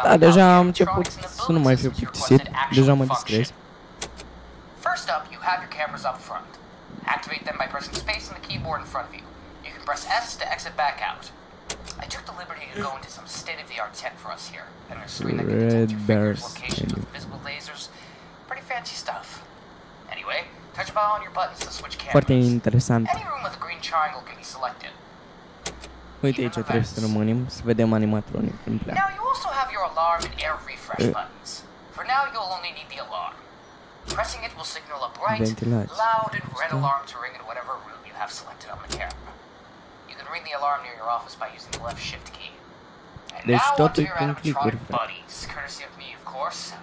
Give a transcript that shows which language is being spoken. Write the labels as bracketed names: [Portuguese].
[Romanian] Da, deja am început să nu mai fiu plictisit, deja mă distrez. [English] First up, you have your cameras up front. Activate them by pressing space on the keyboard in front of you. You can press S to exit back out. I took the liberty to go into some state of the art tent for us here. Red bears. Invisible lasers. Pretty fancy stuff. Anyway, touch a button on your buttons to switch cameras. [Romanian] Foarte interesant. [English] Any room with a green triangle can be selected. [Romanian] Uite aici trebuie să rămânim, să vedem animatronic când pleacă. [English] Now you also have your alarm and air refresh buttons. For now you'll only need the alarm. Pressing it will signal a bright, ventilați. Loud and red alarm to ring in whatever room you have selected on the camera. You can ring the alarm near your office by using the left shift key. And deci now onto your animatronic buddies, courtesy of me, of course.